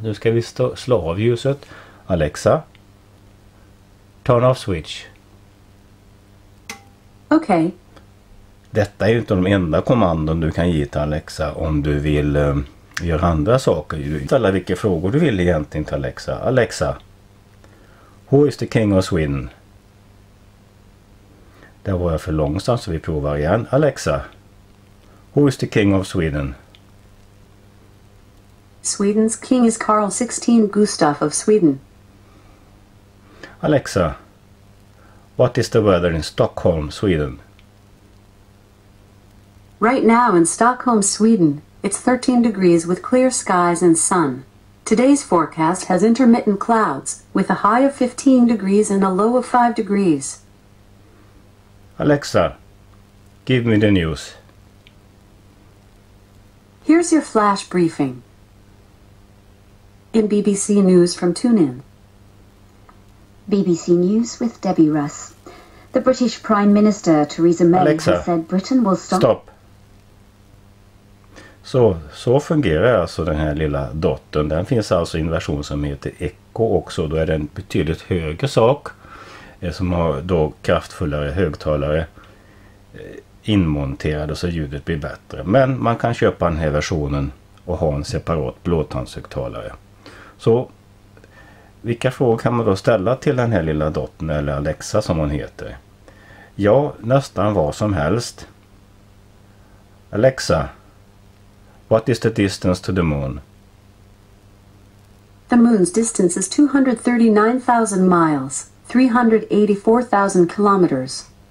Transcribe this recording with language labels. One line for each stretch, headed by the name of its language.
Swedish: Nu ska vi slå av ljuset.
English: Alexa, turn off switch.
Swedish: Okej.
English: Okay.
Swedish: Detta är ju inte de enda kommandon du kan ge till Alexa om du vill gör andra saker. Du ställer vilka frågor du vill egentligen till Alexa.
English: Alexa, who is the king of Sweden?
Swedish: Där var jag för långsamt så vi provar igen.
English: Alexa, who is the king of Sweden? Sweden's king is Carl 16 Gustav of Sweden. Alexa, what is the weather in Stockholm, Sweden? Right now in Stockholm, Sweden, it's 13 degrees with clear skies and sun. Today's forecast has intermittent clouds, with a high of 15 degrees and a low of 5 degrees. Alexa, give me the news. Here's your flash briefing. In BBC News from TuneIn. BBC News with Debbie Russ. The British Prime Minister Theresa May Alexa, has said Britain will stop... Stop.
Swedish: Så fungerar alltså den här lilla dotten. Den finns alltså i en version som heter Echo också. Då är det en betydligt högre sak som har då kraftfullare högtalare inmonterade så ljudet blir bättre. Men man kan köpa den här versionen och ha en separat blåtandshögtalare. Så vilka frågor kan man då ställa till den här lilla dotten eller Alexa som hon heter? Ja, nästan vad som helst.
English: Alexa, what is the distance to the moon? The moon's distance is 239,000 miles, 384,000 kilometers.